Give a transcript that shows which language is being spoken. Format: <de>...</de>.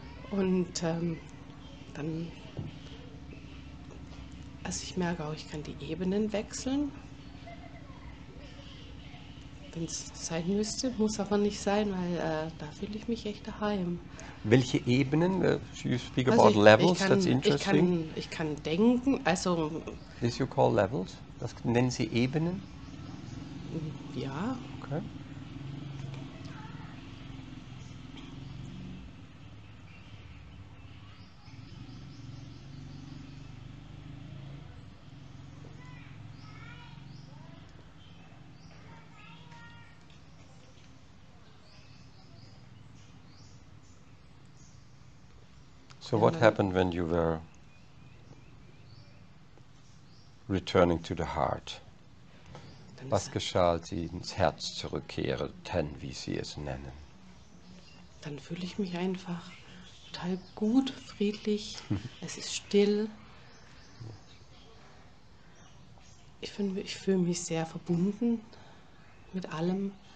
<de>Und dann, also ich merke auch, ich kann die Ebenen wechseln, wenn es sein müsste, muss aber nicht sein, weil da fühle ich mich echt daheim. Welche Ebenen?</de> <en>You speak about also levels, kann, that's interesting.</en> <de>Ich kann denken, also...</de> <en>This you call levels?</en> <de>Das nennen Sie Ebenen? Ja. Okay.</de> <en>So what happened when you were returning to the heart?</en> <de>Was geschah, als Sie ins Herz zurückkehrten, wie Sie es nennen? Dann fühle ich mich einfach total gut, friedlich, es ist still. Ich fühle mich sehr verbunden mit allem.</de>